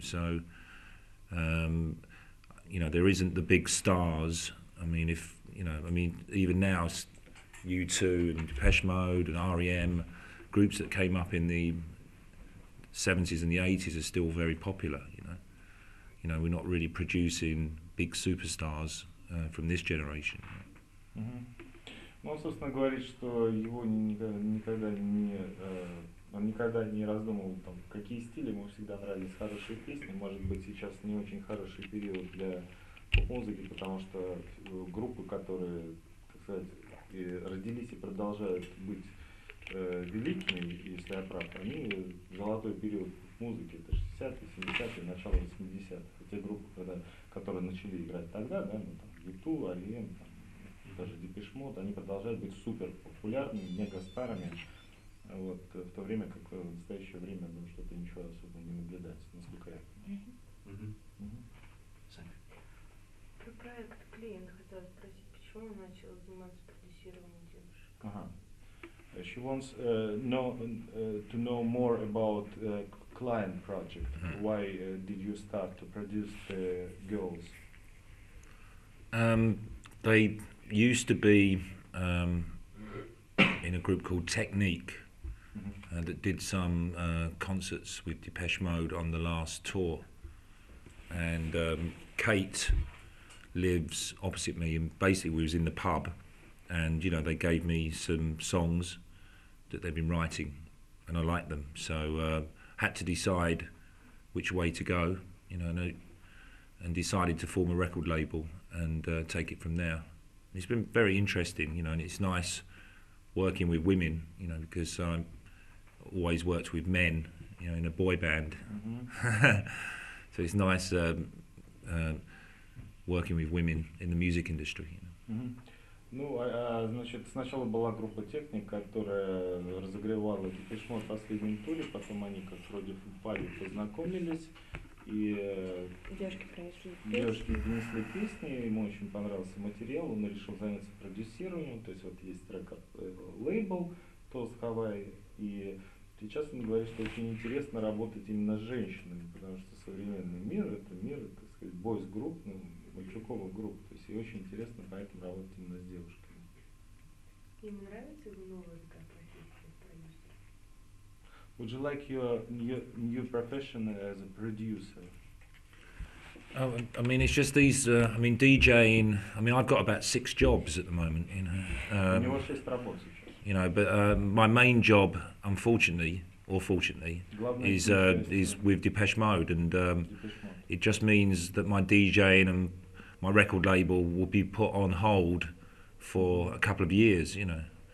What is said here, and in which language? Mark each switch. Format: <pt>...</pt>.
<en>So, you know, there isn't the big stars. I mean, even now, U2 and Depeche Mode and REM, groups that came up in the 70s and the 80s are still very popular, you know. You know, we're not really producing big superstars from this generation. Mm-hmm.</en> <ru>Ну, собственно, говорит, что его он никогда не раздумывал, там, какие стили, ему всегда нравились хорошие песни. Может быть, сейчас не очень хороший период для музыки, потому что группы, которые, так сказать, и родились и продолжают быть великими, если я прав, они золотой период музыки, это 60-е, 70-е, начало 80-х. Те группы, которые начали играть тогда, да, ну, там, U2, REM, там, даже Depeche Mode, они продолжают быть супер популярными, мега-старыми. Вот, в то время как в настоящее время, ну, что-то ничего особо не наблюдается, насколько я понимаю. Mm-hmm. Mm-hmm. Про проект Клейн хотел спросить, почему он начал заниматься продюсированием девушек? Ага.</ru> <en>She wants to know more about client project. Mm-hmm. Why did you start to produce the girls? They used to be in a group called Technique. Mm-hmm. That did some concerts with Depeche Mode on the last tour. And Kate lives opposite me, and basically we was in the pub, and you know, they gave me some songs that they've been writing, and I like them. So had to decide which way to go, you know, and decided to form a record label and take it from there. And it's been very interesting, you know, and it's nice working with women, you know, because I'm always worked with men, you know, in a boy band. Mm-hmm. So it's nice working with women in the music industry, you know. Mm-hmm.</en> <ru>Ну, значит, сначала была группа Техник, которая разогревала Depeche Mode в последнем туре, потом они как вроде в паре познакомились, и девушки принесли песни, ему очень понравился материал, он решил заняться продюсированием, то есть вот есть трек лейбл Toast Hawaii, и сейчас он говорит, что очень интересно работать именно с женщинами, потому что современный мир, это мир, так сказать, boys group, ну, мальчуковых групп, то есть и очень интересно поэтому работать именно с девушками. Им нравится новая такая профессия?</ru> <en>Would you like your new profession as a producer? I mean, it's just these, DJing, I mean, I've got about 6 jobs at the moment, you know.</en> <ru>У него 6 работ сейчас.</ru> <en>You know, but my main job, unfortunately, or fortunately, is with Depeche Mode, and it just means that my DJing and my record label will be put on hold for a couple of years, you know.</en>